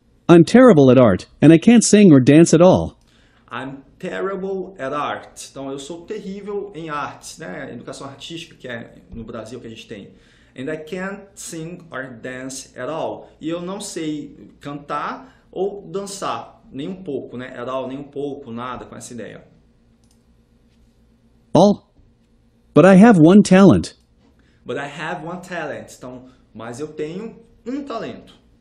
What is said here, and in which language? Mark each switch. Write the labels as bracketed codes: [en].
[en] I'm terrible at art, and I can't sing or dance at all. I'm terrible at art. [pt] Então, eu sou terrível em artes, né? Educação artística, que é no Brasil que a gente tem. [en] And I can't sing or dance at all. [pt] E eu não sei cantar ou dançar, nem um pouco, né? At all, nem um pouco, nada com essa ideia. [en] All? But I have one talent. But I have one talent. [pt] Então, mas eu tenho um talento.